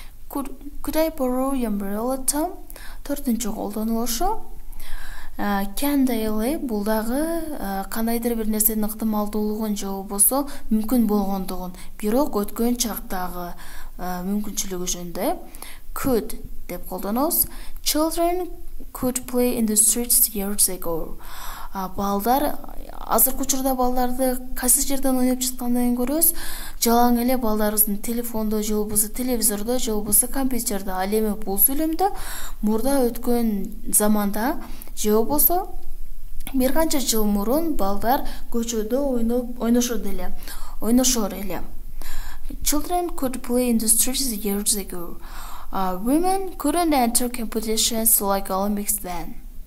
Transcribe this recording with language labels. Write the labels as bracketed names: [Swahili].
[English] Could I borrow your umbrella, Tom? [Kyrgyz] Төртүнчү колдонулушу. Can да эле бул дагы кандайдыр бир нерсенин ыктымалдуулугун же болбосо мүмкүн болгондугун, бирок өткөн чактагы мүмкүнчүлүгү жөнүндө could деп колдонобуз. [English] Children could play in the streets years ago. [Kyrgyz] Балдар азыркы учурда балдарды кайсы жерден ойноп жаткандыгын көрөбүз. Жалаң эле балдарыбыздын телефондо же болбосо телевизордо же болбосо компьютердо, ал эми бул сүйлөмдө мурда өткөн заманда же болбосо бир канча жыл мурун балдар көчөдө ойношот эле. Ойношор эле. [English] Children could play in the streets years ago. Women couldn't enter competitions like Olympics then.